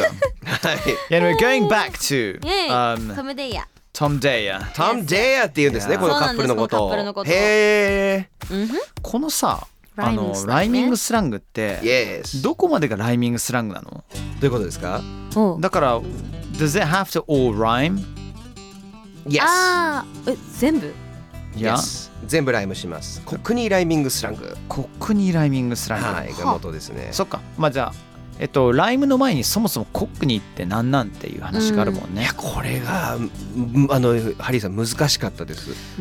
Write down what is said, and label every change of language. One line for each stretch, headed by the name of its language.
English: Thank you. Anyway, going back to
Japanese: トム・デイヤ。トム・デイヤ。トム・デイヤっていうんですね、このカップルのこと。へぇー。このさ、あのライミングスラングって、
English: yes.
Japanese: どこまでがライミングスラングなの？どういうことですか？だから
English: Does it have to all rhyme? Yes.
Japanese: 全部?
English: Yeah. Yes.
Japanese: 全部ライムします。コクニーライミングスラング。コクニーライミングスラング。はい、が元ですね。そっか。まあじゃあ、ライムの前にそもそもコックニーって何なんていう話があるもんね。うん、いやこれがハリーさん難しかったです。